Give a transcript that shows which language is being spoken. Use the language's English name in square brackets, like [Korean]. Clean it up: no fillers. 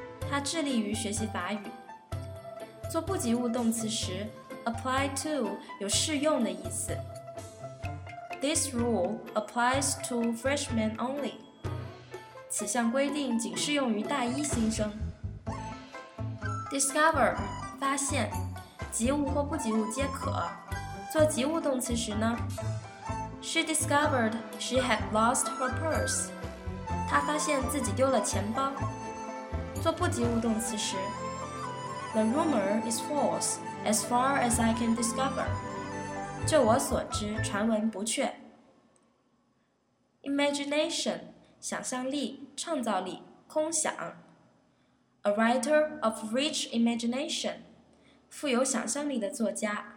[Chinese] 他致力于学习法语。做不及物动词时 ，apply to 有适用的意思。 [English] This rule applies to freshmen only. [Chinese] 此项规定仅适用于大一新生。Discover 发现，及物或不及物皆可。做及物动词时呢 [English] ，She discovered she had lost her purse. [Chinese] 他发现自己丢了钱包。做不及物动词时 [English] ，The rumor is false as far as I can discover. [Chinese] 就我所知，传闻不确。 Imagination， 想象力、创造力、空想。 [English] A writer of rich imagination， [Chinese] 富有想象力的作家。